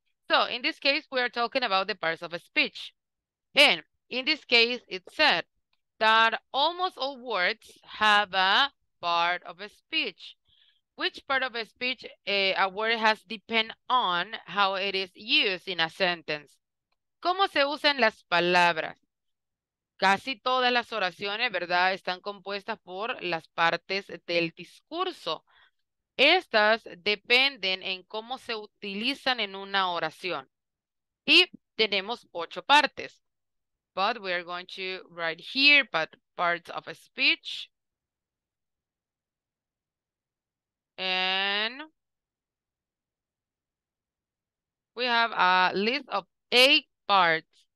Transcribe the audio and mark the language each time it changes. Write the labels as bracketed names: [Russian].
[English] So in this case, we are talking about the parts of a speech. And in this case, it said that almost all words have a part of a speech. Which part of a speech a word has depend on how it is used in a sentence. [Spanish] ¿Cómo se usan las palabras? Casi todas las oraciones, ¿verdad?, están compuestas por las partes del discurso. Estas dependen en cómo se utilizan en una oración. Y tenemos 8 partes. [English] But we are going to write here, but parts of a speech. And we have a list of 8 parts.